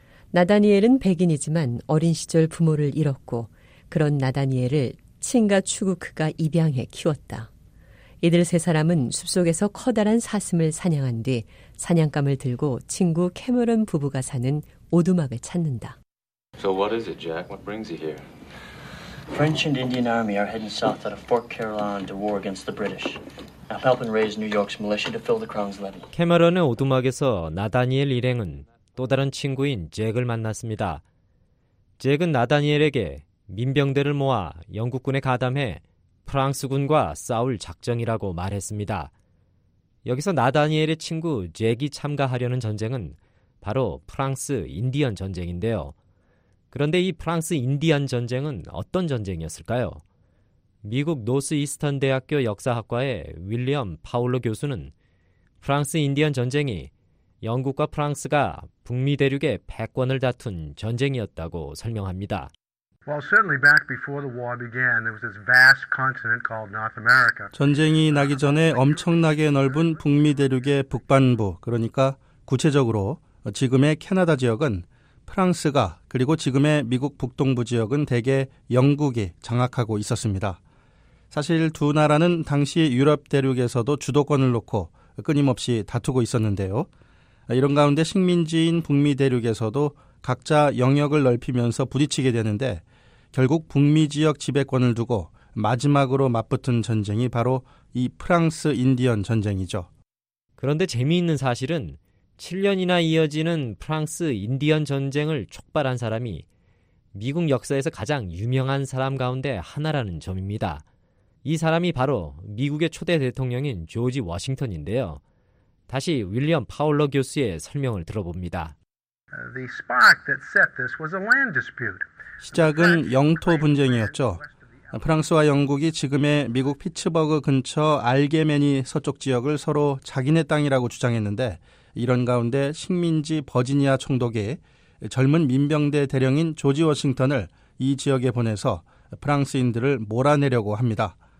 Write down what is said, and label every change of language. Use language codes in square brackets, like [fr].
[ko] 나다니엘은 백인이지만 어린 시절 부모를 잃었고 그런 나다니엘을 칭가추구크가 입양해 키웠다. 이들 세 사람은 숲속에서 커다란 사슴을 사냥한 뒤 사냥감을 들고 친구 캐머런 부부가 사는 오두막을 찾는다. [en] So what is it, Jack? What brings you here? French and Indian Army are heading south out of Fort Caroline to war against the British. I'm helping raise New York's militia to fill the Crown's levy. [ko] 캐머런의 오두막에서 나다니엘 일행은 또 다른 친구인 잭을 만났습니다. 잭은 나다니엘에게 민병대를 모아 영국군에 가담해 프랑스군과 싸울 작정이라고 말했습니다. 여기서 나다니엘의 친구 잭이 참가하려는 전쟁은 바로 프랑스 인디언 전쟁인데요. 그런데 이 프랑스 인디언 전쟁은 어떤 전쟁이었을까요? 미국 노스 이스턴 대학교 역사학과의 윌리엄 파울로 교수는 프랑스 인디언 전쟁이 영국과 프랑스가 북미 대륙의 패권을 다툰 전쟁이었다고 설명합니다. [en] Well, certainly back before the war began, there was this vast continent called North America. [ko] 전쟁이 나기 전에 엄청나게 넓은 북미 대륙의 북반부, 그러니까 구체적으로 지금의 캐나다 지역은 프랑스가 그리고 지금의 미국 북동부 지역은 대개 영국이 장악하고 있었습니다. 사실 두 나라는 당시 유럽 대륙에서도 주도권을 놓고 끊임없이 다투고 있었는데요. 이런 가운데 식민지인 북미 대륙에서도 각자 영역을 넓히면서 부딪히게 되는데 결국 북미 지역 지배권을 두고 마지막으로 맞붙은 전쟁이 바로 이 프랑스 인디언 전쟁이죠. 그런데 재미있는 사실은 7년이나 이어지는 프랑스 인디언 전쟁을 촉발한 사람이 미국 역사에서 가장 유명한 사람 가운데 하나라는 점입니다. 이 사람이 바로 미국의 초대 대통령인 조지 워싱턴인데요. 다시 윌리엄 파울러 교수의 설명을 들어봅니다. [en] The spark that set this was a land dispute. [ko] 시작은 영토 분쟁이었죠. 프랑스와 영국이 지금의 미국 피츠버그 근처 알게메니 서쪽 지역을 서로 자기네 땅이라고 주장했는데 이런 가운데 식민지 버지니아 총독이 젊은 민병대 대령인 조지 워싱턴을 이 지역에 보내서 프랑스인들을 몰아내려고 합니다.